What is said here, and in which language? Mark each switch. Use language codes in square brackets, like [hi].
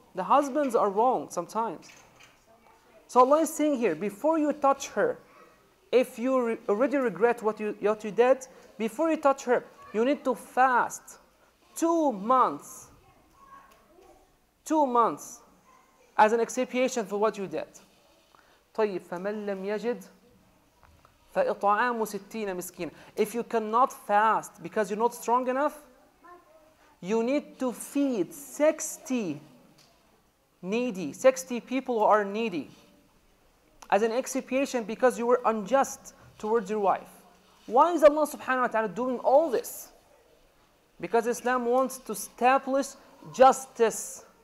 [en] The husbands are wrong sometimes. So Allah is saying here, before you touch her, if you already regret what you did, before you touch her, you need to fast 2 months. 2 months as an expiation for what you did. [ar] طيب فمن لم يجد فإطعام 60 مسكين. [en] If you cannot fast because you're not strong enough, you need to feed 60 needy, 60 people who are needy, as an expiation because you were unjust towards your wife. Why is Allah subhanahu wa ta'ala doing all this? Because Islam wants to establish justice.